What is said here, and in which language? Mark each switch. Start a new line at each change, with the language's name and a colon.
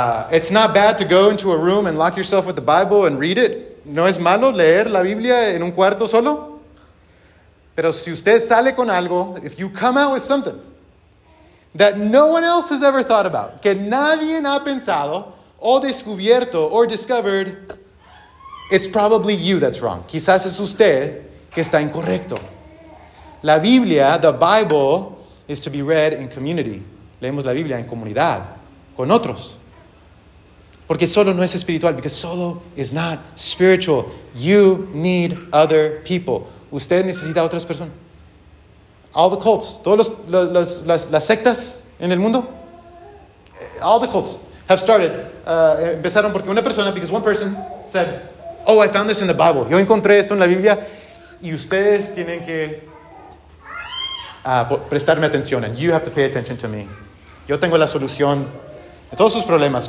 English: It's not bad to go into a room and lock yourself with the Bible and read it.
Spanish: No es malo leer la Biblia en un cuarto solo. Pero si usted sale con algo,
English: if you come out with something that no one else has ever thought about,
Spanish: que nadie ha pensado o descubierto o
English: discovered, it's probably you that's wrong.
Spanish: Quizás es usted que está incorrecto. La Biblia,
English: the Bible, is to be read in community.
Spanish: Leemos la Biblia en comunidad, con otros. Porque solo no es espiritual,
English: because solo is not spiritual. You need other people.
Spanish: Usted necesita otras personas.
English: All the cults,
Spanish: todas las sectas en el mundo,
English: all the cults, have started.
Spanish: Empezaron porque una persona,
English: because one person said, oh, I found this in the Bible.
Spanish: Yo encontré esto en la Biblia. Y ustedes tienen que prestarme atención.
English: And you have to pay attention to me.
Spanish: Yo tengo la solución a todos sus problemas.